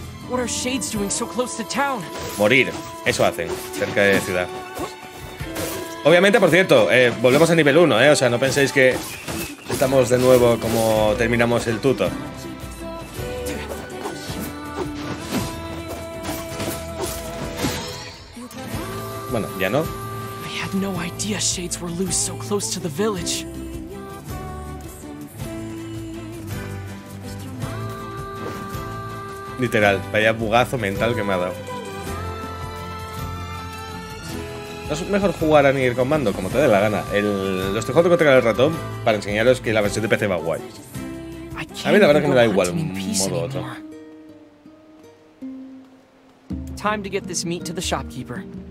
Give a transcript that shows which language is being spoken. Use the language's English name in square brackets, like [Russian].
[English] What are shades doing so close to town? [Spanish] Morir, eso hacen, cerca de ciudad. Obviamente, por cierto, volvemos a nivel 1, ¿eh? O sea, no penséis que estamos de nuevo como terminamos el tuto. Bueno, ya no. [English] I had no idea shades were loose so close to the village. [Spanish] Literal, vaya bugazo mental que me ha dado. No es mejor jugar a Nier con mando, como te dé la gana. Lo estoy jugando contra el ratón para enseñaros que la versión de PC va guay. A mí la verdad que me da igual un modo u otro. [English] Time to get this meat to the shopkeeper.